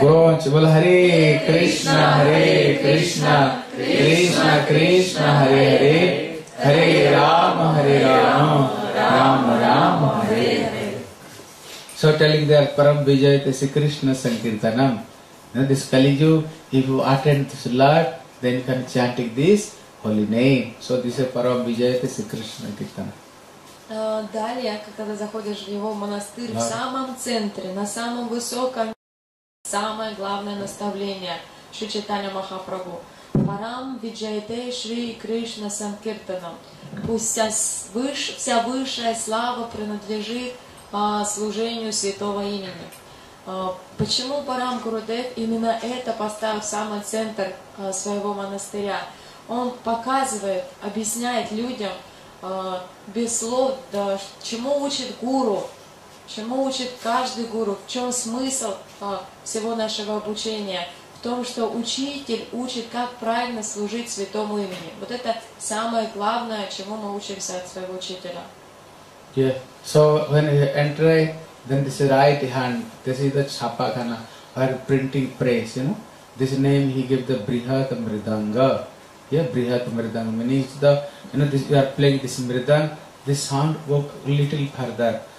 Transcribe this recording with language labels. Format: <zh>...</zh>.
<sa>Well, Hare Krishna, Hare Krishna, Krishna Krishna, Hare Hare, Hare Rama, Hare Rama, Rama Rama, Hare.</sa> <en>So telling that</en> <sa>Param Vijayate Sri Krishna Sankirtanam.</sa> <en>You know, this Kali Yuga, if you attend this Lord, then you can chant this holy name. So this is</en> <sa>Param Vijayate Sri Krishna Sankirtanam.</sa> <ru>Далее, когда ты заходишь в его монастырь, в самом центре, на самом высоком, самое главное наставление Шри Чайтанья Махапрабху.</ru> <sa>Param Vijayate Sri Krishna Sankirtanam.</sa> <ru>Пусть вся высшая слава принадлежит служению святого имени. Почему Парам Гурудев именно это поставил в самый центр своего монастыря? Он показывает, объясняет людям без слов, да, чему учит гуру, чему учит каждый гуру, в чем смысл всего нашего обучения, в том, что учитель учит, как правильно служить святому имени. Вот это самое главное, чему мы учимся от своего учителя.</ru> <en>Yeah. So when you enter, then this right hand, this is the chapakana, or printing press, you know. This name he gave the Brihat Mridanga. Yeah, Brihat Mridanga means the, you know, this, you are playing this Mridanga, this sound go little further.</en>